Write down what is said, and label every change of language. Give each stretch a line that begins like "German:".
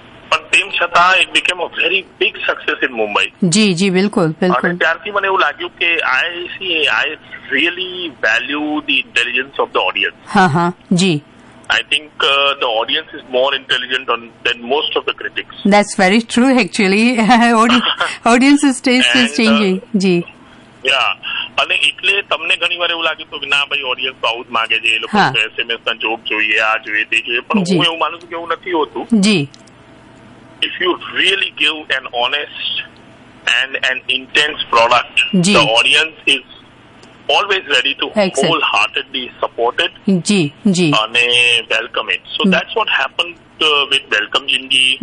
Gujarati: પણ તેમ છતાં
English: it became a very big success in Mumbai
Gujarati: જી જી બિલકુલ બિલકુલ ત્યારથી મને એવું લાગ્યું કે
English: I really value the intelligence of the audience
Gujarati: હા હા જી
English: I think the audience is more intelligent than most of the critics. That's very true, actually. audience's taste is changing. Ji. Yeah.
Gujarati: અને એટલે તમને ઘણી વાર એવું લાગે તો ના ભાઈ ઓડિયન્સ બહુ જ માગે છે એ લોકો SMS માં જોબ જોઈએ આ જોઈએ તે જોઈએ પણ હું એવું માનું છું કે એવું નથી હોતું જી
English: If you really give an honest and an intense product the audience is always ready to Excellent. wholeheartedly support it ji ji and welcome it so that's what happened with welcome jindi